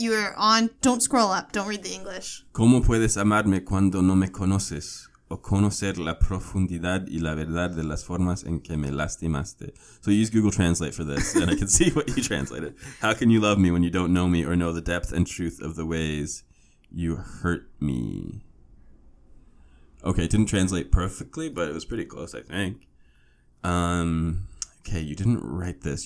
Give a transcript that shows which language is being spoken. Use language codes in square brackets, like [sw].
[en] You are on, don't scroll up, don't read the English. [es] ¿Cómo puedes amarme cuando no me conoces o conocer la profundidad y la verdad de las formas en que me lastimaste? [en] So use Google Translate for this, and I can see what you translated. How can you love me when you don't know me or know the depth and truth of the ways you hurt me? Okay, it didn't translate perfectly, but it was pretty close, I think. Okay, you didn't write this.